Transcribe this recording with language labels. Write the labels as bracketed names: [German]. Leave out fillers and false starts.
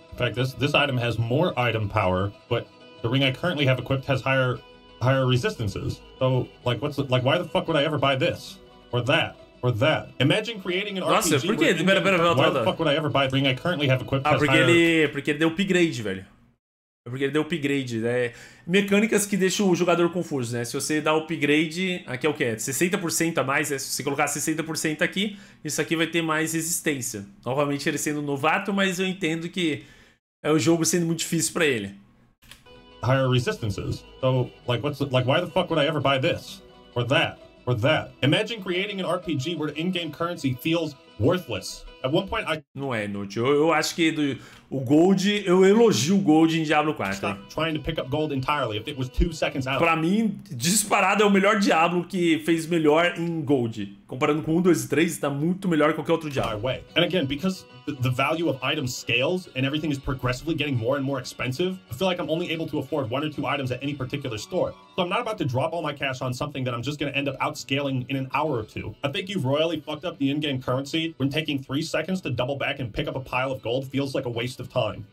[English] In fact, this item has more item power, but the ring I currently have equipped has higher resistances. So, like, why the fuck would I ever buy this or that? Or that. Imagine creating an [Portuguese] Nossa, [English] RPG [Portuguese] por quê? Pera. [English] Why the fuck would I ever buy the ring I currently have equipped has [Portuguese] porque [English] higher... [Portuguese] porque ele deu upgrade, velho. Porque ele deu upgrade, né? Mecânicas que deixam o jogador confuso, né? Se você dá upgrade, aqui é o quê? 60% a mais, né? Se você colocar 60% aqui, isso aqui vai ter mais resistência. Novamente, ele sendo novato, mas eu entendo que é o jogo sendo muito difícil pra ele. [English] Higher resistances. So, like, why the fuck would I ever buy this? Or that? Or that? Imagine creating an RPG where the in-game currency feels worthless. At one point, [Portuguese] Não é inútil. Eu acho que o Gold, eu elogio o Gold em Diablo 4. [English] Trying to pick up gold entirely if it was 2 seconds out. [Portuguese] Pra mim, disparado, é o melhor Diablo que fez melhor em Gold. Comparando com 1, 2 e 3, está muito melhor que qualquer outro Diablo. [English] And again, because the value of items scales and everything is progressively getting more and more expensive, I feel like I'm only able to afford one or two items at any particular store. So I'm not about to drop all my cash on something that I'm just going to end up outscaling in an hour or two. I think you've royally fucked up the in-game currency when taking 3 seconds to double back and pick up a pile of gold feels like a waste of time.